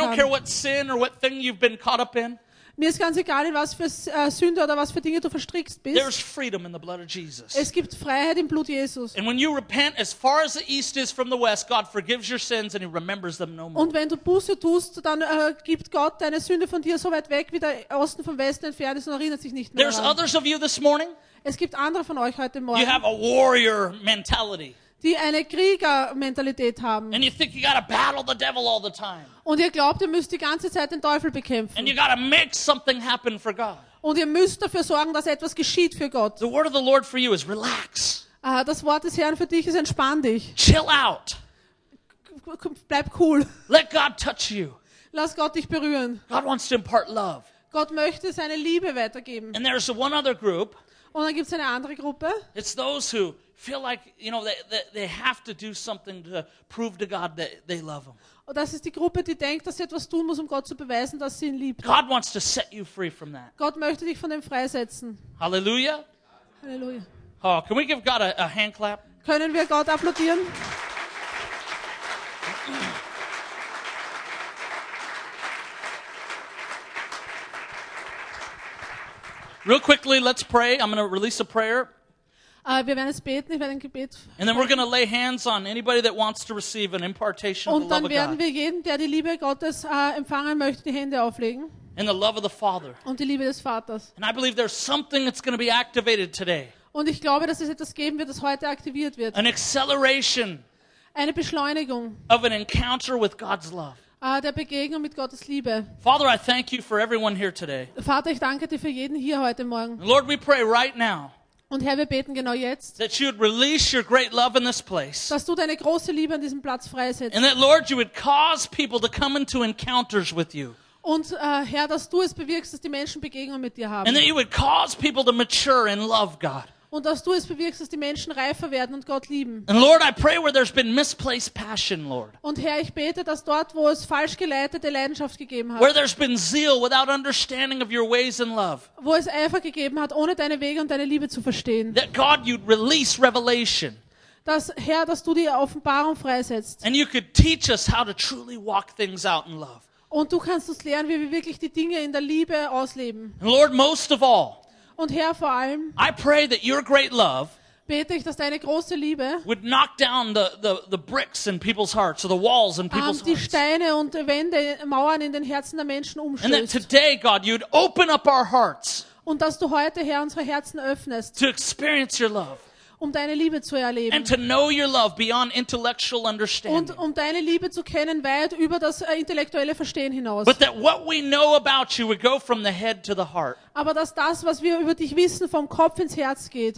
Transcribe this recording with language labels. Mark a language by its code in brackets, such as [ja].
[en] I don't care what sin or what thing you've been caught up in. [de] Mir ist ganz egal, in was für Sünde oder was für Dinge du verstrickst bist. [en] There's freedom in the blood of Jesus. [de] Es gibt Freiheit im Blut Jesus. [en] And when you repent as far as the east is from the west, God forgives your sins and he remembers them no more. [de] Und wenn du Buße tust, dann gibt Gott deine Sünde von dir so weit weg, wie der Osten vom Westen entfernt ist und erinnert sich nicht mehr daran. [en] There's others of you this morning. [de] Es gibt andere von euch heute Morgen. [en] You have a warrior mentality. [de] Die eine Kriegermentalität haben. [en] And you think you gotta battle the devil all the time. [de] Und ihr glaubt, ihr müsst die ganze Zeit den Teufel bekämpfen. [en] And you gotta make something happen for God. [de] Und ihr müsst dafür sorgen, dass etwas geschieht für Gott. [en] The word of the Lord for you is relax. [de] Das Wort des Herrn für dich ist entspann dich. [en] Chill out. [de] Bleib cool. [en] Let God touch you. [de] Lass Gott dich berühren. [en] God wants to impart love. [de] Gott möchte seine Liebe weitergeben. [en] And there's one other group. [de] Und dann gibt's eine andere Gruppe. [en] It's those who feel like, you know, they have to do something to prove to God that they love him. [de] Und das ist die Gruppe, die denkt, dass sie etwas tun muss, um Gott zu beweisen, dass sie ihn liebt. [en] God wants to set you free from that. [de] Gott möchte dich von dem freisetzen. [en] Hallelujah. [de] Hallelujah. [en] Oh, can we give God a hand clap? [de] Können wir Gott applaudieren? [en] Real quickly, let's pray. I'm going to release a prayer. [de] Wir werden es beten. Ich werde ein Gebet. [en] And then we're going to lay hands on anybody that wants to receive an impartation [de] und [en] of the love of God. [de] Und dann werden wir jeden, der die Liebe Gottes empfangen möchte, die Hände auflegen. [en] And the love of the Father. [de] Und die Liebe des Vaters. [en] And I believe there's something that's going to be activated today. [de] Und ich glaube, dass es etwas geben wird, das heute aktiviert wird. [en] An acceleration. [de] Eine Beschleunigung. [en] Of an encounter with God's love. [de] Der Begegnung mit Gottes Liebe. [en] Father, I thank you for everyone here today. [de] Vater, ich danke dir für jeden hier heute Morgen. [en] Lord, we pray right now. [de] Und Herr, wir beten genau jetzt. [en] That you would release your great love in this place. [de] Dass du deine große Liebe an diesem Platz freisetzt. [en] And that, Lord, you would cause people to come into encounters with you. [de] Und Herr, dass du es bewirkst, dass die Menschen Begegnung mit dir haben. [en] And that you would cause people to mature in love, God. [de] Und dass du es bewirkst, dass die Menschen reifer werden und Gott lieben. [en] And Lord, I pray where there's been misplaced passion, Lord. [de] Und Herr, ich bete, dass dort, wo es falsch geleitete Leidenschaft gegeben hat, [en] where there's been zeal without understanding of your ways and love, [de] wo es Eifer gegeben hat, ohne deine Wege und deine Liebe zu verstehen, [en] that God, you'd release revelation. [de] Dass Herr, dass du die Offenbarung freisetzt. [en] And you could teach us how to truly walk things out in love. [de] Und du kannst uns lernen, wie wir wirklich die Dinge in der Liebe ausleben. [en] And Lord, most of all, [de] und Herr, vor allem, [en] I pray that your great love [de] bete ich, dass deine große Liebe [en] would knock down the bricks in people's hearts or the walls in people's [de] die Steine und Wände, Mauern in den Herzen der Menschen umstößt. [en] And that today, God, you'd open up our hearts [de] und dass du heute, Herr, unsere Herzen öffnest [en] to experience your love, [de] um deine Liebe zu erleben [en] and to know your love beyond intellectual understanding [de] und um deine Liebe zu kennen weit über das intellektuelle Verstehen hinaus. [en] But that what we know about you would go from the head to the heart. [de] Aber dass das, was wir über dich wissen, vom Kopf ins Herz geht.